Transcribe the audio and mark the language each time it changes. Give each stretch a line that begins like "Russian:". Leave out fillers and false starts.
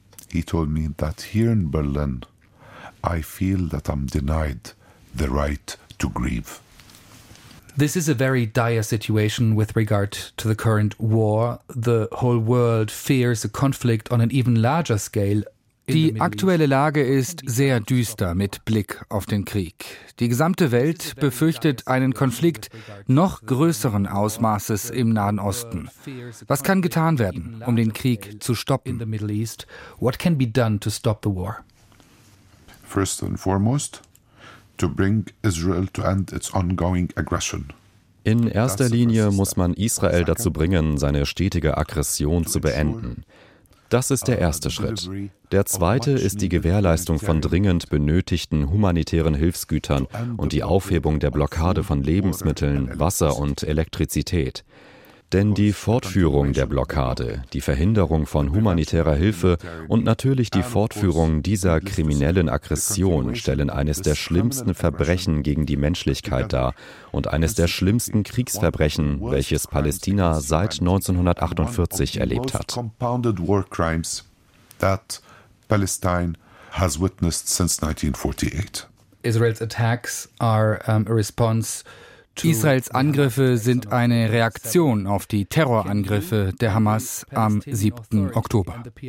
English: He told me that here in Berlin I feel that I'm denied the right to grieve. This is a very dire situation with regard to the current war. The whole world fears a conflict on an even larger scale.
German: Die aktuelle Lage ist sehr düster mit Blick auf den Krieg. Die gesamte Welt befürchtet einen Konflikt noch größeren Ausmaßes im Nahen Osten. Was kann getan werden, um den Krieg zu stoppen?
English: What can be done to stop the war? First and foremost, to bring Israel to end its ongoing aggression.
German: In erster Linie muss man Israel dazu bringen, seine stetige Aggression zu beenden. Das ist der erste Schritt. Der zweite ist die Gewährleistung von dringend benötigten humanitären Hilfsgütern und die Aufhebung der Blockade von Lebensmitteln, Wasser und Elektrizität. Denn die Fortführung der Blockade, die Verhinderung von humanitärer Hilfe und natürlich die Fortführung dieser kriminellen Aggression stellen eines der schlimmsten Verbrechen gegen die Menschlichkeit dar und eines der schlimmsten Kriegsverbrechen, welches Palästina seit 1948 erlebt hat.
English: Compounded war crimes that Palestine has witnessed since 1948. Israel's attacks are a response.
German: Israels Angriffe sind eine Reaktion auf die Terrorangriffe der Hamas am 7. Oktober.